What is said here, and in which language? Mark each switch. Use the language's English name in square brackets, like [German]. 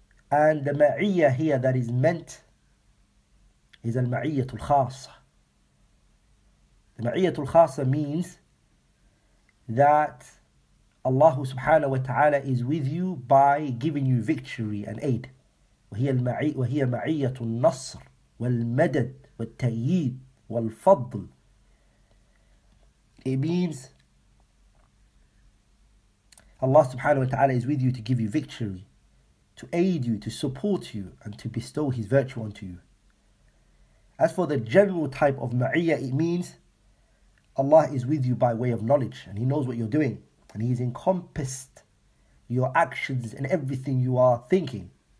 [English] And the معية here that is meant is المعية الخاصة. المعية الخاصة means that Allah subhanahu wa ta'ala is with you by giving you victory and aid. [Arabic] وهي معية النصر والمدد والتأييد والفضل. [English] It means Allah subhanahu wa ta'ala is with you to give you victory, to aid you, to support you, and to bestow His virtue unto you. As for the general type of ma'iyah, it means Allah is with you by way of knowledge, and He knows what you're doing, and He's encompassed your actions and everything you are thinking.